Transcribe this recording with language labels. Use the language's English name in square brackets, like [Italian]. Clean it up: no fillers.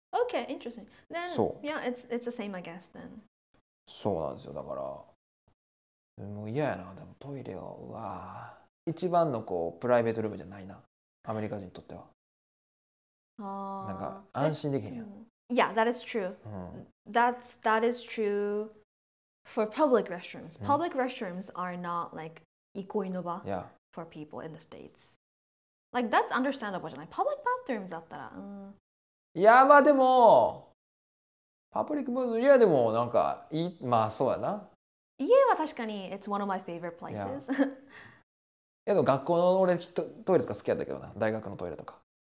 [English] Okay, interesting. Then, そう。Yeah, it's the same, I guess, then. [Japanese] そうなんですよ、だから。もう嫌やな、でもトイレは、うわ一番のこうプライベートルームじゃないな、アメリカ人にとっては。なんか安心できへんやん。 [English] Yeah, that is true.、That is true for public restrooms. Public restrooms are not like 憩いの場 for people in the States. Like, that's understandable, じゃない public bathrooms だったら。 [Japanese] いや、まあでも、パブリックブーズ、いや、でもなんかいい、まあそうやな。家は確かに、 [English] it's one of my favorite places.、 Yeah. [Japanese] でも学校の俺トイレとか好きやったけどな、大学のトイレとか。